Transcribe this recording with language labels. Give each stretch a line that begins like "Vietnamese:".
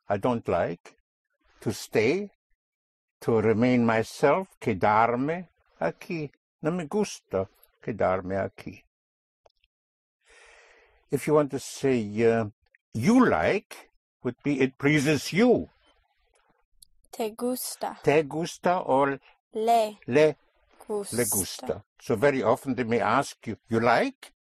English: I don't like to stay, to remain myself.
Spanish: Quedarme aquí. No me gusta quedarme aquí.
English: If you want to say you like, would be it pleases you.
Spanish: Te gusta. Te gusta or... Le gusta. Le gusta.
English: So very often they may ask you, you like?